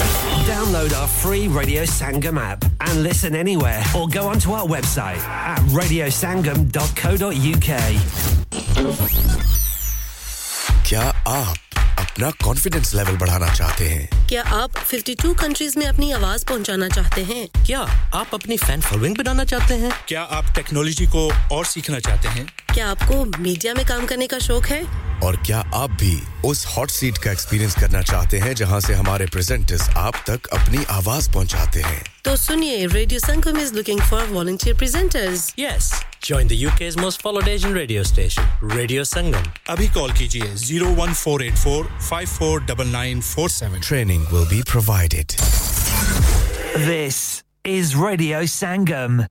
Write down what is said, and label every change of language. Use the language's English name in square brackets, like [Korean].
[English] Sangam app and listen anywhere or go onto our website at radiosangam.co.uk. [Hindi] क्या आप अपना confidence level बढ़ाना चाहते हैं? क्या आप 52 countries में अपनी आवाज़ पहुंचाना चाहते हैं? क्या आप अपनी fan following बढ़ाना चाहते हैं? क्या आप technology को और सीखना चाहते हैं? क्या आपको media में काम करने का शौक है? और क्या आप भी उस हॉट सीट का एक्सपीरियंस करना चाहते हैं जहां से हमारे प्रेजेंटर्स आप तक अपनी आवाज पहुंचाते हैं तो सुनिए [English] Radio Sangam is looking for volunteer presenters yes join the UK's most followed Asian radio station Radio Sangam [Hindi] अभी कॉल कीजिए 01484549947 [English] Training will be provided this is Radio Sangam.